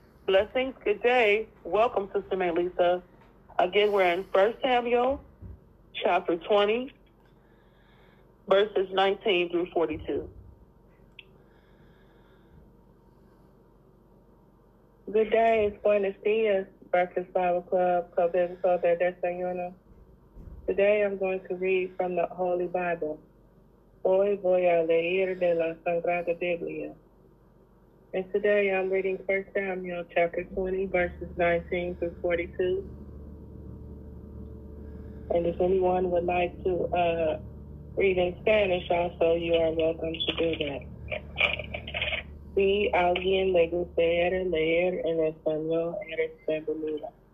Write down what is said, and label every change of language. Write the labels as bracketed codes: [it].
[en] Blessings. Good day. Welcome, Sister Melissa. Again, we're in 1 Samuel chapter 20, verses 19 through 42. Good day. It's [es] Buenos Dias, [en] Breakfast Bible Club, Club Info de Desayuno. Today, I'm going to read from the Holy Bible. [es] Hoy voy a leer de la Sagrada Biblia. [en] And today I'm reading 1 Samuel chapter 20, verses 19 through 42. And if anyone would like to read in Spanish also, you are welcome to do that. [es] Si alguien le gustaría leer en español, eres bienvenida.